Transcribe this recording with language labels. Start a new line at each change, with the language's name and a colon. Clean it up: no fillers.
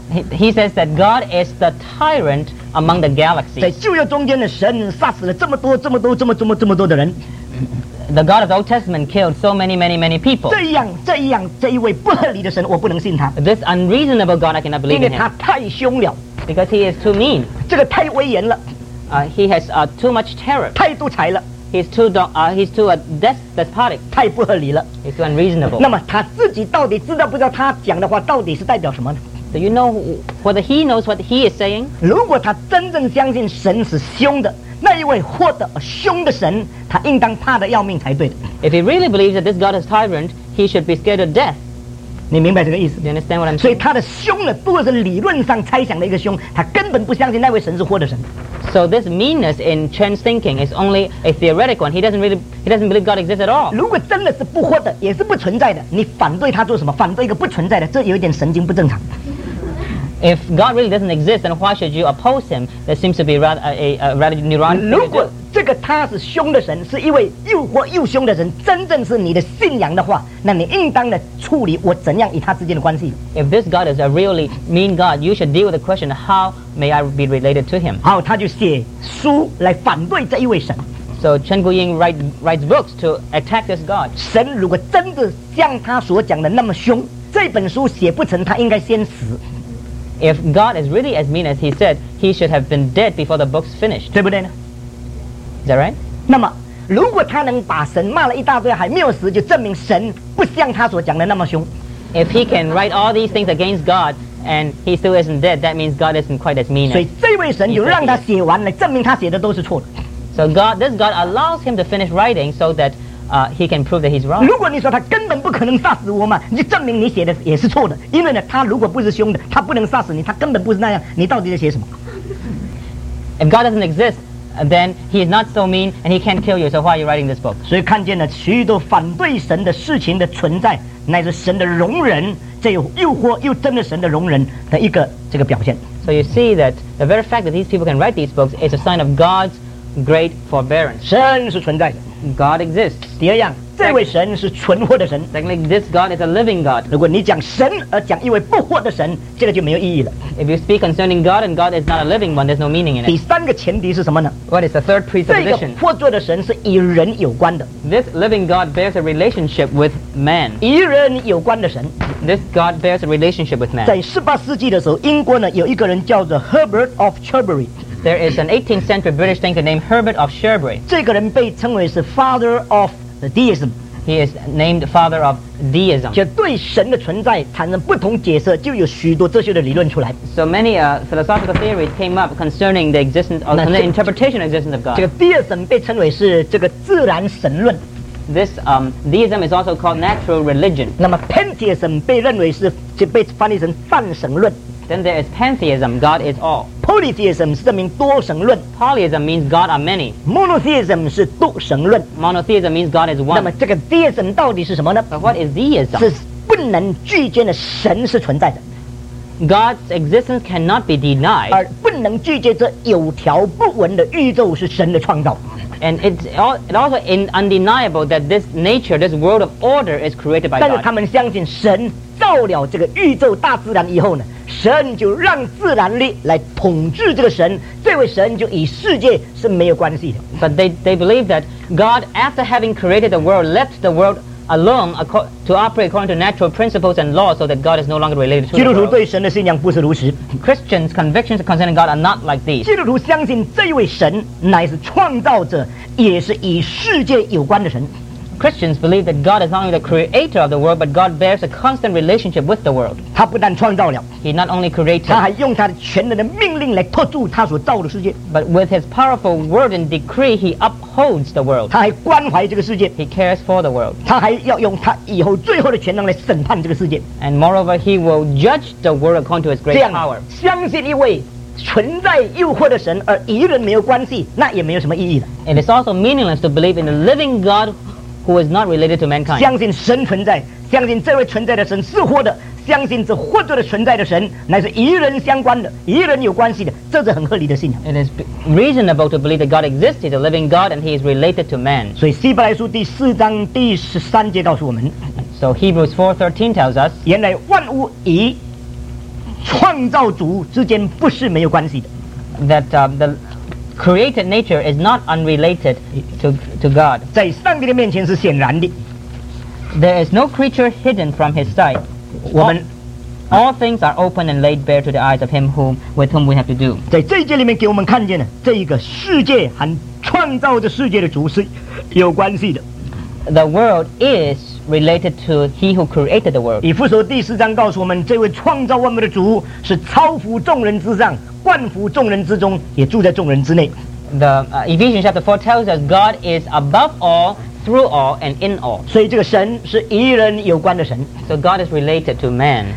English: He says that God is the tyrant among the galaxies.
Chinese: 在旧约中间的神杀死了这么多、这么多、这么、这么、这么多的人。
English: The God of the Old Testament killed so many, many, many people.
Chinese: 这样、这样，这一位不合理的神，我不能信他。
English: This unreasonable God, I cannot believe in him.
Chinese: 因为他太凶了。
English: Because he is too mean.
Chinese: 这个太威严了。
English: He has too much terror.
Chinese: 太独裁了。
English: He's too despotic.
Chinese: 太不合理了。
English: He's too unreasonable.
Chinese: 那么他自己到底知道不知道他讲的话到底是代表什么呢？
English: Do you know whether he knows what he is saying?
Chinese: 如果他真正相信神是凶的，那一位活的凶的神，他应当怕得要命才对的。
English: If he really believes that this God is tyrant, he should be scared of death.
Chinese: 你明白这个意思？
English: You understand what I'm saying?
Chinese: 所以他的凶呢，不过是理论上猜想的一个凶，他根本不相信那位神是活的神。
English: So this meanness in Chen's thinking is only a theoretical one. He doesn't believe God exists at all.
Chinese: 如果真的是不活的，也是不存在的，你反对他做什么？反对一个不存在的，这有点神经不正常。
English: If God really doesn't exist, then why should you oppose him? That seems to be rather neurotic.
Chinese: 如果这个他是凶的神，是一位又活又凶的神，真正是你的信仰的话，那你应当的处理我怎样与他之间的关系。
English: If this God is a really mean God, you should deal with the question, how may I be related to him?
Chinese: 好，他就写书来反对这一位神。
English: So Chen Guiying writes books to attack this God.
Chinese: 神如果真的像他所讲的那么凶，这本书写不成，他应该先死。
English: If God is really as mean as he said, he should have been dead before the book's finished.
Chinese: 对不对呢？
English: Is that right?
Chinese: 那么，如果他能把神骂了一大堆还没有死，就证明神不像他所讲的那么凶。
English: If he can write all these things against God and he still isn't dead, that means God isn't quite as mean.
Chinese: 所以这位神就让他写完了，证明他写的都是错的。
English: So this God allows him to finish writing so that he can prove that he's wrong.
Chinese: 如果你说他根本不可能杀死我嘛，你就证明你写的也是错的。因为呢，他如果不是凶的，他不能杀死你，他根本不是那样。你到底在写什么？
English: If God doesn't exist, then he is not so mean and he can't kill you. So why are you writing this book?
Chinese: 所以看见了许多反对神的事情的存在，乃是神的容忍，这又活又真的神的容忍的一个这个表现。
English: So you see that the very fact that these people can write these books is a sign of God's great forbearance.
Chinese: 神是存在的。
English: God exists.
Chinese: 第二样，这位神是存活的神。
English: Secondly, this God is a living God.
Chinese: 如果你讲神而讲一位不活的神，这个就没有意义了。
English: If you speak concerning God and God is not a living one, there's no meaning in it.
Chinese: 第三个前提是什么呢？
English: What is the third presupposition?
Chinese: 这个活着的神是与人有关的。
English: This living God bears a relationship with man.
Chinese: 与人有关的神。
English: This God bears a relationship with man.
Chinese: 在十八世纪的时候，英国呢有一个人叫做 Herbert of Cherbury。
English: There is an 18th century British thinker named Herbert of Cherbury.
Chinese: 这个人被称为是 Father of Deism.
English: He is named Father of Deism.
Chinese: 就对神的存在产生不同解释，就有许多哲学的理论出来。
English: So many philosophical theories came up concerning the existence or the interpretation of the existence of God.
Chinese: 这个 Deism 被称为是这个自然神论。
English: This Deism is also called natural religion.
Chinese: 那么 Pantheism 被认为是就被翻译成泛神论。
English: Then there is pantheism, God is all.
Chinese: Polytheism 是证明多神论。
English: Polytheism means God are many.
Chinese: Monotheism 是多神论。
English: Monotheism means God is one.
Chinese: 那么这个 theism 到底是什么呢？
English: But what is theism?
Chinese: 是不能拒绝的神是存在的。
English: God's existence cannot be denied.
Chinese: 而不能拒绝这有条不紊的宇宙是神的创造。
English: And it's also undeniable that this nature, this world of order is created by God.
Chinese: 但是他们相信神造了这个宇宙大自然以后呢，神就让自然力来统治这个神，这位神就与世界是没有关系的。
English: But they believe that God, after having created the world, left the world alone to operate according to natural principles and laws, so that God is no longer related to the world.
Chinese: 基督徒对神的信仰不是如此。
English: Christians' convictions concerning God are not like these.
Chinese: 基督徒相信这位神乃是创造者，也是与世界有关的神。
English: Christians believe that God is not only the creator of the world, but God bears a constant relationship with the world.
Chinese: 他不但创造了，
English: He not only created,
Chinese: 他还用他的全能的命令来托住他所造的世界。
English: But with his powerful word and decree, he upholds the world.
Chinese: 他还关怀这个世界，
English: He cares for the world.
Chinese: 他还要用他以后最后的全能来审判这个世界。
English: And moreover, he will judge the world according to his great power.
Chinese: 这样，相信一位存在又活的神而与人没有关系，那也没有什么意义的。
English: And it's also meaningless to believe in a living God who is not related to mankind.
Chinese: 相信神存在，相信这位存在的神是活的，相信这活着的存在的神乃是与人相关的，与人有关系的，这是很合理的信仰。
English: It is reasonable to believe that God exists, he's a living God, and he is related to man.
Chinese: 所以希伯来书第四章第十三节告诉我们。
English: So Hebrews 4:13 tells us,
Chinese: 原来万物与创造主之间不是没有关系的。
English: That the created nature is not unrelated to God.
Chinese: 在上帝的面前是显然的。
English: There is no creature hidden from his sight. All things are open and laid bare to the eyes of him whom, with whom we have to do.
Chinese: 在这一节里面给我们看见了这一个世界和创造着世界的主是有关系的。
English: The world is related to he who created the world.
Chinese: 以弗所第四章告诉我们这位创造万物的主是超乎众人之上，万福众人之中，也住在众人之内。
English: The Ephesians chapter 4 tells us God is above all through all and in all.
Chinese: 所以这个神是与人有关的神。
English: So God is related to man.